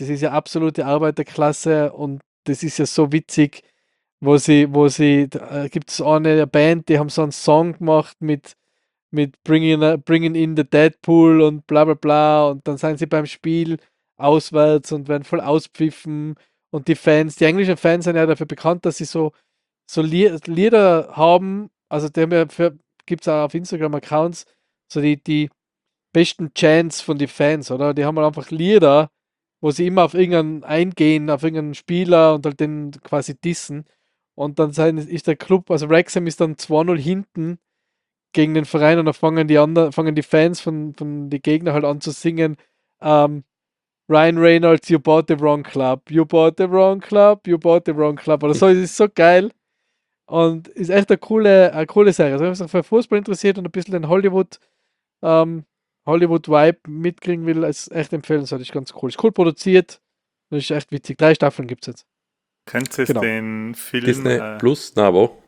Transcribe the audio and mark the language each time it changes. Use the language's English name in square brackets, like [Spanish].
[German] Das ist ja absolute Arbeiterklasse und das ist ja so witzig, wo sie gibt es eine Band, die haben so einen Song gemacht mit Bringing in the Deadpool und bla bla bla und dann sind sie beim Spiel auswärts und werden voll auspfiffen und die Fans, die englischen Fans sind ja dafür bekannt, dass sie so Lieder haben, also die haben ja gibt es auch auf Instagram-Accounts, so die besten Chants von den Fans, oder? Die haben halt einfach Lieder, wo sie immer auf irgendeinen eingehen, auf irgendeinen Spieler und halt den quasi dissen. Und dann ist der Club, also Wrexham ist dann 2-0 hinten gegen den Verein und dann fangen die Fans von den Gegner halt an zu singen. [English] Ryan Reynolds, you bought the wrong club. You bought the wrong club. You bought the wrong club. [German] Oder so, es ist so geil. Und ist echt eine coole Serie. Also wenn man sich für Fußball interessiert und ein bisschen den Hollywood-Vibe mitkriegen will, ist echt empfehlenswert. Ist ganz cool. Ist cool produziert. Das ist echt witzig. 3 Staffeln gibt es jetzt. Kennt ihr genau. Den Film? Disney Plus? Na, wo?